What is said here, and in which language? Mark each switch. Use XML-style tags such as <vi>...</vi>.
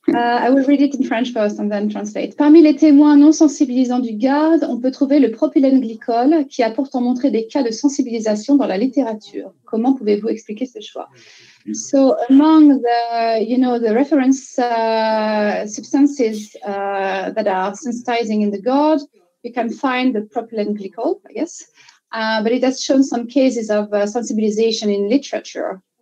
<en>I will read it in French first and then translate.</en> <fr>Parmi les témoins non sensibilisants du GAD, on peut trouver le propylène glycol qui a pourtant montré des cas de sensibilisation dans la littérature. Comment pouvez-vous expliquer ce choix?</fr> <en>So among the, you know, the reference substances that are sensitizing in the GAD, you can find the propylene glycol, I guess. But it has shown some cases of sensibilization in literature.</en>